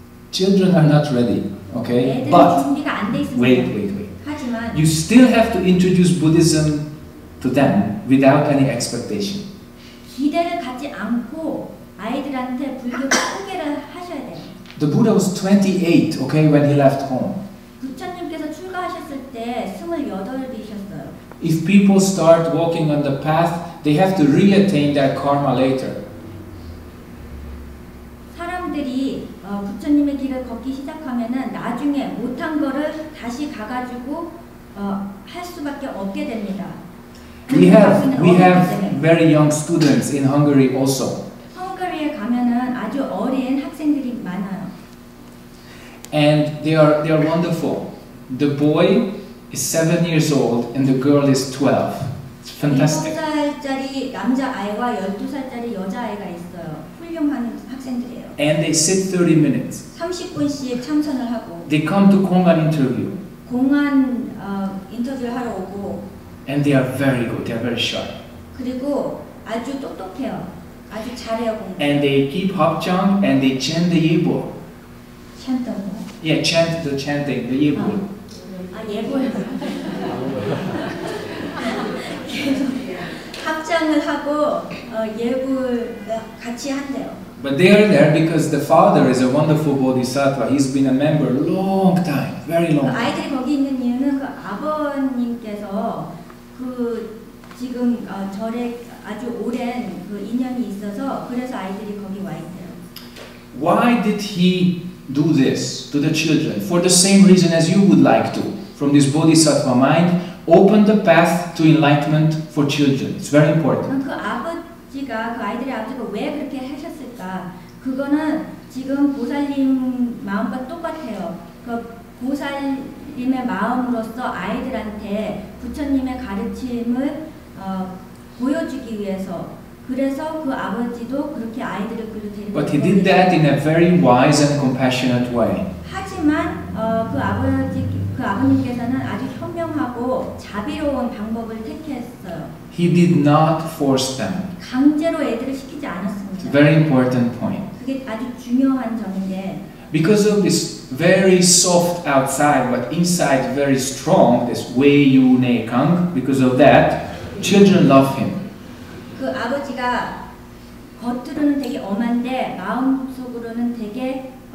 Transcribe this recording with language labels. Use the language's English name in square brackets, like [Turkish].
[English] Children are not ready. Okay? [Korean] 애들은 준비가 안 돼 있습니다. [English] Wait. [Korean] 하지만 [English] you still have to introduce Buddhism to them without any expectation. [Korean] 기대를 갖지 않고 아이들한테 불교 소개를 하셔야 돼요. [English] The Buddha was 28, okay, when he left home. [Korean] 부처님께서 출가하셨을 때 28이셨어요. [English] If people start walking on the path, they have to reattain that karma later. [Korean] 사람들이 부처님의 길을 걷기 시작하면은 나중에 못한 거를 다시 가가지고 할 수밖에 없게 됩니다. [English] We have very young students in Hungary also. [Korean] 헝가리에 가면은 아주 어린 학생들이 많아요. [English] And they are wonderful. The boy is 7 years old and the girl is 12. It's fantastic. [Korean] 7살짜리 남자 아이와 12살짜리 여자 아이가 있어요. 훌륭한 학생들이에요. [English] And they sit 30 minutes. [Korean] 30분씩 참선을 하고. [English] They come to 공안 interview. [Korean] 공안 인터뷰 하러 오고. [English] And they are very good. They are very sharp. [Korean] 그리고 아주 똑똑해요. 아주 잘해요 공부. [English] And they keep hopjang and they chant the yebo. Chant the yebo. Yeah, chant the chanting the yebo. [Korean] 아 예보요. 합장을 하고 예불 같이 한대요. [English] But they are there because the father is a wonderful bodhisattva. He's been a member long time, very long. [Korean] 아이들이 거기 있는 이유는 그 아버님께서 그 지금 절에 아주 오랜 그 인연이 있어서 그래서 아이들이 거기 와 있대요. [English] Why did he do this to the children? For the same reason as you would like to. From this bodhisattva mind, open the path to enlightenment for children. It's very important. [Korean] 그 아버지가 그 아이들의 아버지가 왜 그렇게 하셨을까? 그거는 지금 보살님 마음과 똑같아요. 그 보살님의 마음으로서 아이들한테 부처님의 가르침을 보여주기 위해서. 그래서 그 아버지도 그렇게 아이들을 그렇게. [English] But he did that in a very wise and compassionate way. [Korean] 하지만 그 아버지. 그 아버님께서는 아주 현명하고 자비로운 방법을 택했어요. [English] He did not force them. [Korean] 강제로 애들을 시키지 않았습니다. [English] Very important point. [Korean] 그게 아주 중요한 점인데. [English] Because of this very soft outside, but inside very strong, this Wei Yu Nei Kang, because of that, children love him. [Korean] 그 아버지가 겉으로는 되게 엄한데 마음속으로는 되게